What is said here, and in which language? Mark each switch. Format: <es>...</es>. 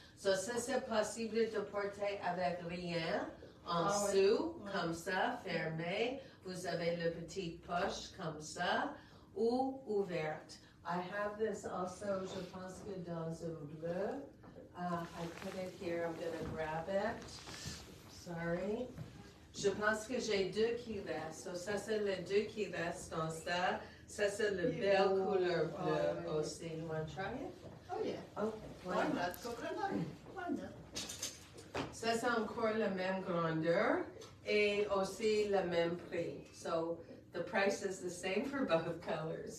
<fr>So ça, c'est possible de porter avec rien en dessous, comme ça, fermé. Vous avez le petit poche comme ça, ou ouverte.</fr> <en>I have this also,</en> <fr>je pense que dans un bleu.</fr> <en>I put it here, I'm going to grab it.</en> <fr>Sorry. Je pense que j'ai deux qui restent. So ça, c'est les deux qui restent dans ça. Ça, c'est le belle couleur bleu aussi.</fr> <en>You want to try it? Oh, yeah. Okay.</en> <fr>Ça, c'est encore la même grandeur et aussi le même prix.</fr> <en>So the price is the same for both colors.</en>